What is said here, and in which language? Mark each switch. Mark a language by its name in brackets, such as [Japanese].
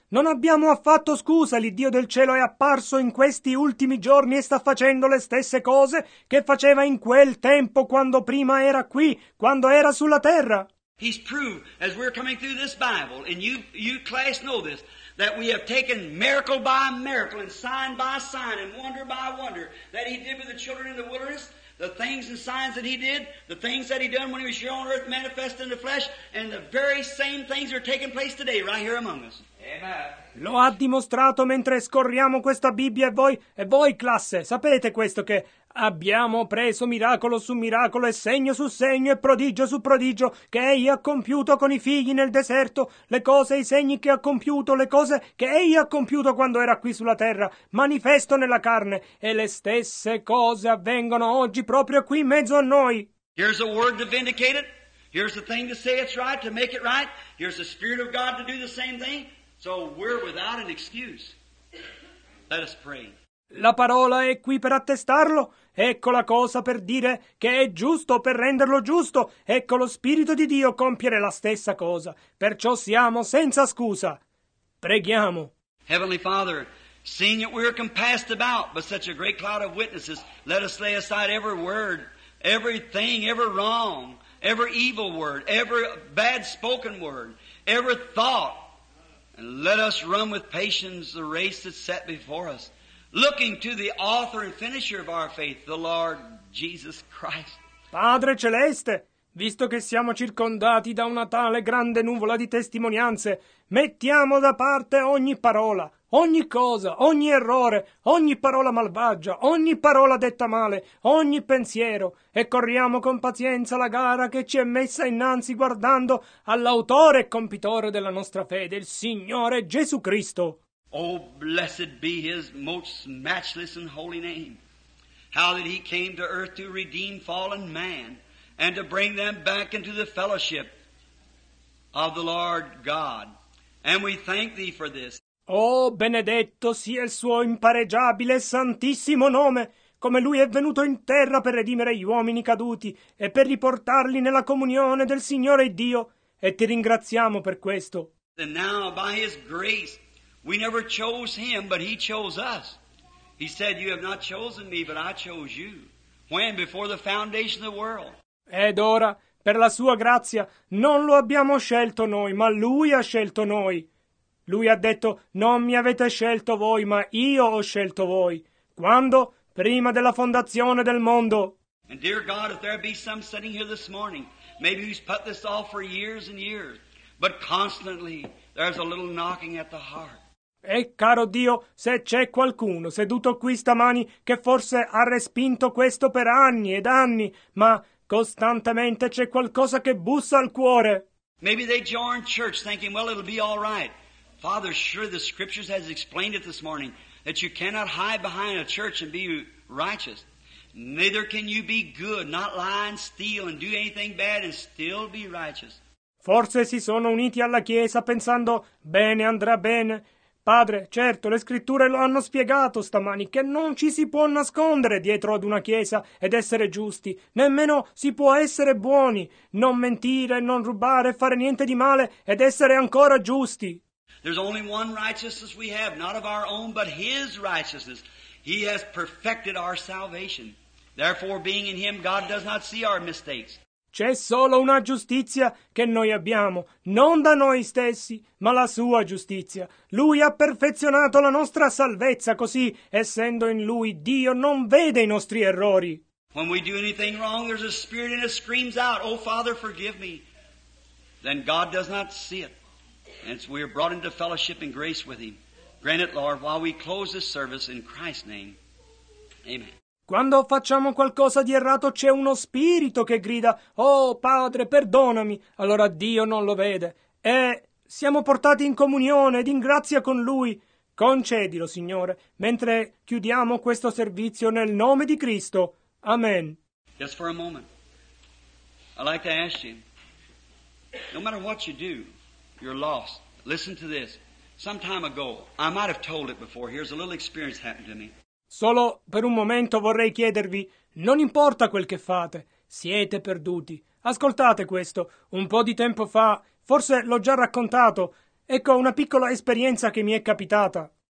[Italian] Non abbiamo affatto scusa. L'Iddio del cielo è apparso in questi ultimi giorni e sta facendo le stesse cose che faceva in quel tempo quando prima era qui, quando era sulla terra. [English] He's proved, as we're coming through this Bible, and you class know this, that we have taken miracle by miracle and sign by sign and wonder by wonder that he did with the children in the wilderness, the things and signs that he did, the things that he done when he was here on earth manifest in the flesh, and the very same things are taking place today right here among us. [Italian] Lo ha dimostrato mentre scorriamo questa Bibbia e voi classe, sapete questo, che abbiamo preso miracolo su miracolo e segno su segno e prodigio su prodigio che egli ha compiuto con i figli nel deserto, le cose e i segni che ha compiuto, le cose che egli ha compiuto quando era qui sulla terra, manifesto nella carne, e le stesse cose avvengono oggi proprio qui in mezzo a noi. [English] Here's a word to vindicate it. Here's the thing to say it's right, to make it right. Here's the Spirit of God to do the same thing. So we're without an excuse. Let us pray. [Italian] La parola è qui per attestarlo. Ecco la cosa per dire che è giusto, per renderlo giusto. Ecco lo Spirito di Dio compiere la stessa cosa. Perciò siamo senza scusa. Preghiamo. [English] Heavenly Father, seeing that we are compassed about by such a great cloud of witnesses, let us lay aside every word, everything, every wrong, every evil word, every bad spoken word, every thought, and let us run with patience the race that's set before us, looking to the author and finisher of our faith, the Lord Jesus Christ. [Italian] Padre Celeste, visto che siamo circondati da una tale grande nuvola di testimonianze, mettiamo da parte ogni parola, ogni cosa, ogni errore, ogni parola malvagia, ogni parola detta male, ogni pensiero, e corriamo con pazienza la gara che ci è messa innanzi guardando all'autore e compitore della nostra fede, il Signore Gesù Cristo. [English] Oh, blessed be his most matchless and holy name. How that he came to earth to redeem fallen man and to bring them back into the fellowship of the Lord God. And we thank thee for this. [Italian] Oh, benedetto sia il suo impareggiabile e santissimo nome, come lui è venuto in terra per redimere gli uomini caduti e per riportarli nella comunione del Signore Dio, e ti ringraziamo per questo. [English] And now, by his grace, we never chose him, but he chose us. He said, you have not chosen me, but I chose you. When? Before the foundation of the world. [Italian] Ed ora, per la sua grazia, non lo abbiamo scelto noi, ma lui ha scelto noi. Lui ha detto, non mi avete scelto voi, ma io ho scelto voi. Quando? Prima della fondazione del mondo. [English] And dear God, if there be some sitting here this morning, maybe who's put this off for years and years, but constantly there's a little knocking at the heart. [Italian] E caro Dio, se c'è qualcuno seduto qui stamani che forse ha respinto questo per anni ed anni, ma costantemente c'è qualcosa che bussa al cuore. [English] Maybe they join church thinking, well, it'll be all right. Father, sure the scriptures has explained it this morning that you cannot hide behind a church and be righteous. Neither can you be good, not lie and steal and do anything bad and still be righteous. [Italian] Forse si sono uniti alla chiesa pensando, bene, andrà bene. Padre, certo, le scritture lo hanno spiegato stamani, che non ci si può nascondere dietro ad una chiesa ed essere giusti. Nemmeno si può essere buoni, non mentire, non rubare, fare niente di male ed essere ancora giusti. [English] There's only one righteousness we have, not of our own, but his righteousness. He has perfected our salvation. Therefore, being in Him, God does not see our mistakes. [Italian] C'è solo una giustizia che noi abbiamo, non da noi stessi, ma la sua giustizia. Lui ha perfezionato la nostra salvezza, così, essendo in Lui, Dio non vede i nostri errori. [English] When we do anything wrong, there's a spirit in us screams out, "Oh, Father, forgive me." Then God does not see it. And so we are brought into fellowship and grace with Him. Grant it, Lord, while we close this service in Christ's name. Amen. [Italian] Quando facciamo qualcosa di errato, c'è uno spirito che grida, "Oh, Padre, perdonami." Allora Dio non lo vede. E siamo portati in comunione ed in grazia con Lui. Concedilo, Signore, mentre chiudiamo questo servizio nel nome di Cristo. Amen. [English] Just for a moment. I'd like to ask you, no matter what you do, you're lost. Listen to this. Some time ago, I might have told it before. Here's a little experience happened to me. [Italian] Solo per un momento vorrei chiedervi, non importa quel che fate, siete perduti. Ascoltate questo, un po' di tempo fa, forse l'ho già raccontato, ecco una piccola esperienza che mi è capitata.